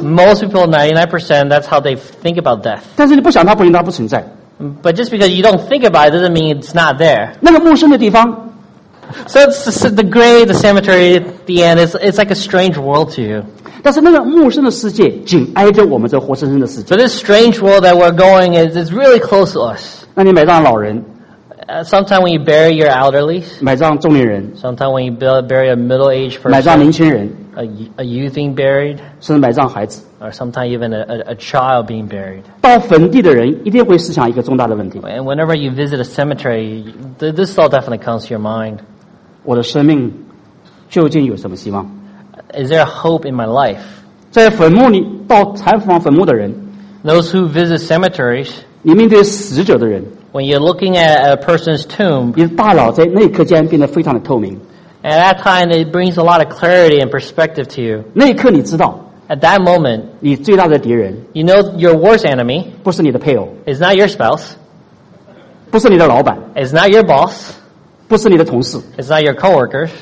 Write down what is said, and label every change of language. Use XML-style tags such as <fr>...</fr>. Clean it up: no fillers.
<en>So, most people, 99%, that's how they think about death.</en> <zh>但是你不想它不存在。</zh> <en>But just because you don't think about it doesn't mean it's not there.</en> <zh>那个陌生的地方。</zh> <en>So it's the grave, the cemetery, the end, it's like a strange world to you.</en> <zh>但是那个陌生的世界紧挨着我们这活生生的世界。</zh> <en>But this strange world that we're going is really close to us.</en> <zh>那你埋葬老人。</zh> <en>Sometimes when you bury your elderly,</en> <zh>埋葬中年人,</zh> <en>sometimes when you bury a middle-aged person,</en> <zh>埋葬年轻人,</zh> <en>a youth being buried,</en> <zh>甚至埋葬孩子,</zh> <en>or sometimes even a child being buried.</en> <zh>到坟地的人一定会思想一个重大的问题。</zh> <en>And whenever you visit a cemetery, this thought definitely comes to your mind.</en> <zh>我的生命究竟有什么希望?</zh> <en>Is there a hope in my life?</en> <zh>在坟墓里到采访坟墓的人,</zh> <en>those who visit cemeteries,</en> <zh>你面对死者的人,</zh> <en>when you're looking at a person's tomb,</en> <zh>你的大脑在那一刻间变得非常的透明,</zh> <en>at that time it brings a lot of clarity and perspective to you.</en> <zh>那一刻你知道,</zh> <en>at that moment,</en> <zh>你最大的敌人,</zh> <en>you know your worst enemy,</en> <zh>不是你的配偶,</zh> <en>it's not your spouse,</en> <zh>不是你的老板,</zh> <en>it's not your boss,</en> <zh>不是你的同事,</zh> <en>it's not your coworkers,</en>